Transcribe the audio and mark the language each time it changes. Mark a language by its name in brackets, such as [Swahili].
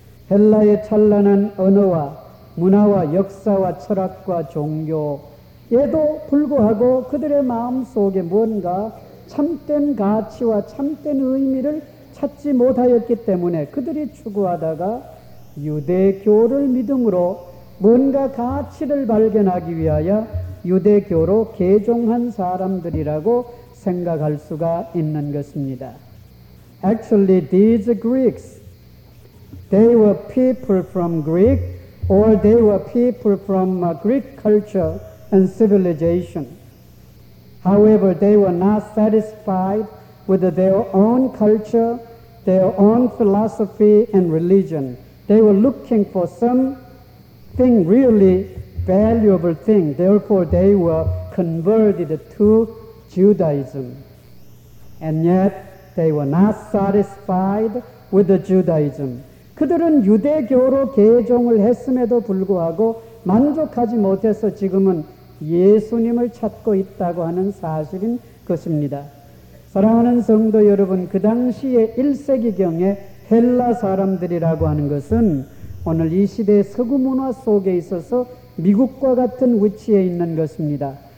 [Korean] 헬라의 찬란한 언어와 문화와 역사와 철학과 종교에도 불구하고 그들의 마음속에 뭔가 참된 가치와 참된 의미를 찾지 못하였기 때문에 그들이 추구하다가 유대교를 믿음으로 뭔가 가치를 발견하기 위하여 유대교로 개종한 사람들이라고 생각할 수가 있는 것입니다. [English] Actually, these Greeks, they were people from Greek or they were people from Greek culture and civilization. However, they were not satisfied with their own culture, their own philosophy and religion. They were looking for something really valuable thing. Therefore, they were converted to Judaism. And yet, they were not satisfied with the Judaism. [Korean] 그들은 유대교로 개종을 했음에도 불구하고 만족하지 못해서 지금은 예수님을 찾고 있다고 하는 사실인 것입니다. 사랑하는 성도 여러분, 그 당시에 1세기경에 헬라 사람들이라고 하는 것은 오늘 이 시대의 서구 문화 속에 있어서 미국과 같은 위치에 있는 것입니다.